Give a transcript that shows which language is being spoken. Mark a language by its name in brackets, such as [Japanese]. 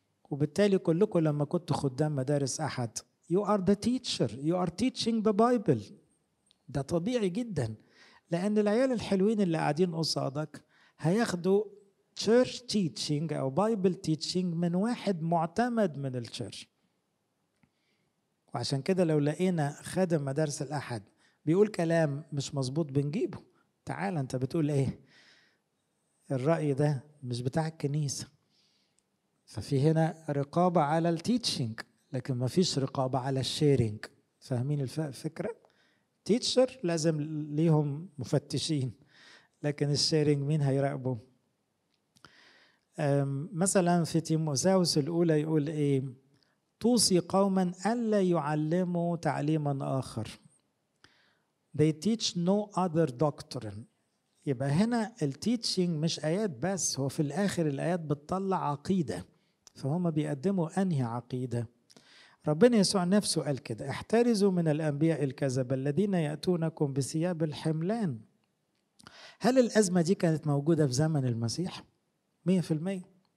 [Arabic] وبالتالي كلكم لما كنت خدام مدارس احد، [English] you are the teacher, you are teaching the Bible. [Arabic] ده طبيعي جدا، لان العيال الحلوين اللي قاعدين قصادك هياخدوا [English] church teaching [Arabic] او [English] Bible teaching [Arabic] من واحد معتمد من الchurch. وعشان كده لو لقينا خادم مدارس الاحد بيقول كلام مش مظبوط بنجيبه. تعال انت بتقول ايه؟ الرأي ده مش بتاع الكنيسة. ففي هنا رقابة على التيتشنج، لكن ما فيش رقابة على الشيرينج. فاهمين الفكرة؟ تيتشر لازم ليهم مفتشين، لكن الشيرينج مين هيراقبه؟ مثلا في تيموثاوس الأولى يقول ايه؟ توصي قوما ألا يعلموا تعليما آخر. [English] They teach no other doctrine. [Arabic] يبقى هنا التيتشينج مش آيات بس، هو في الآخر الآيات بتطلع عقيدة، فهما بيقدموا أنهي عقيدة؟ ربنا يسوع نفسه قال كده، احترزوا من الأنبياء الكذبة الذين يأتونكم بثياب الحملان. هل الأزمة دي كانت موجودة في زمن المسيح؟ 100%.